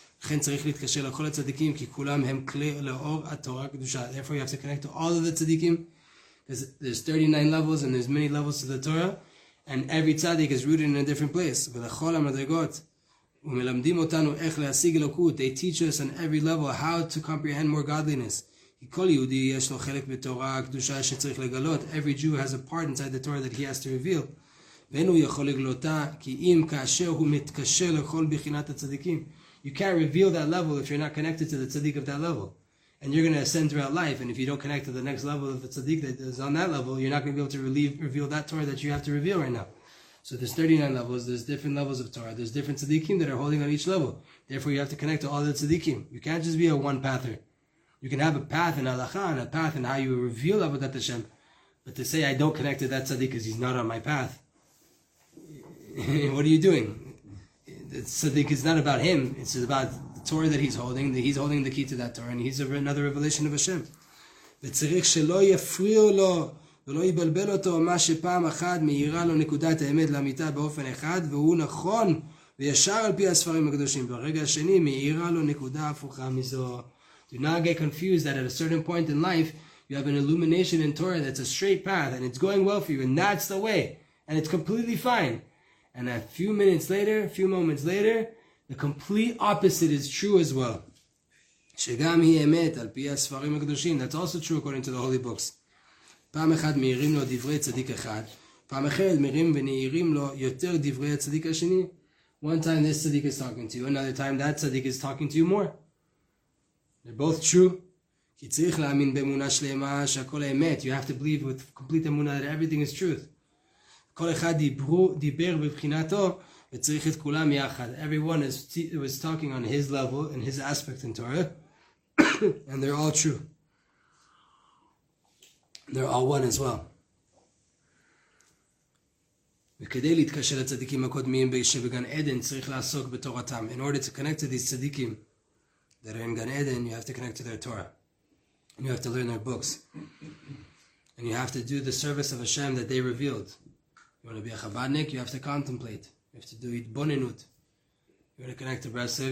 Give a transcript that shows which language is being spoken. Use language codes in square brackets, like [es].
[he] לכן צריך להתקשר לכל הצדיקים כי כולם הם כלי לאור התורה הקדושה. [en] Therefore you have to connect to all of the tzaddikim. There's 39 levels and there's many levels to the Torah. And every tzaddik is rooted in a different place. [he] ולכל המדרגות ומלמדים אותנו איך להשיג אלוקות. [en] They teach us on every level how to comprehend more godliness. [he] כי כל יהודי יש לו חלק בתורה הקדושה שצריך לגלות. [en] Every Jew has a part inside the Torah that he has to reveal. [he] ואין הוא יכול לגלותה כי אם כאשר הוא מתקשר לכל בחינת הצדיקים. [en] You can't reveal that level if you're not connected to the tzaddik of that level. And you're going to ascend throughout life, and if you don't connect to the next level of the tzaddik that is on that level, you're not going to be able to reveal that Torah that you have to reveal right now. So there's 39 levels, there's different levels of Torah, there's different tzaddikim that are holding on each level. Therefore you have to connect to all the tzaddikim. You can't just be a one-pather. You can have a path in halacha, and a path in how you reveal Avodat Hashem, but to say, I don't connect to that tzaddik because he's not on my path. What are you doing? Tzaddik is not about him, it's about the Torah that he's holding. He's holding the key to that Torah, and he's another revelation of Hashem. [he] וצריך שלא יפריעו לו ולא יבלבל אותו מה שפעם אחת מאירה לו נקודת האמת למיטה באופן אחד, והוא נכון וישר על פי הספרים הקדושים. ברגע השני מאירה לו נקודה הפוכה מזו. [en] Do not get confused that at a certain point in life you have an illumination in Torah that's a straight path and it's going well for you, and that's the way, and it's completely fine. And a few minutes later, a few moments later, the complete opposite is true as well. [he] שגם היא אמת על פי הספרים הקדושים. [en] That's also true according to the holy books. [he] פעם אחד מאירים לו דברי צדיק אחד, פעם אחרת מרים ונעירים לו יותר דברי הצדיק השני. [en] One time this tzaddik is talking to you, another time that tzaddik is talking to you more. They're both true. [he] כי צריך להאמין באמונה שלמה שהכל האמת. [en] You have to believe with complete אמונה that everything is truth. [he] כל אחד דיבר בבחינתו וצריך את כולם יחד. [en] Everyone was talking on his level and his aspect in Torah. And they're all true. They're all one as well. [he] וכדי להתקשר לצדיקים הקודמים שבגן עדן צריך לעסוק בתורתם. [en] In order to connect to these צדיקים that are in גן עדן, you have to connect to their Torah. And you have to learn their books. And you have to do the service of Hashem that they revealed. You want to be a Chabadnik? You have to contemplate. You have to do Itbonenut. You want to connect to Brasov?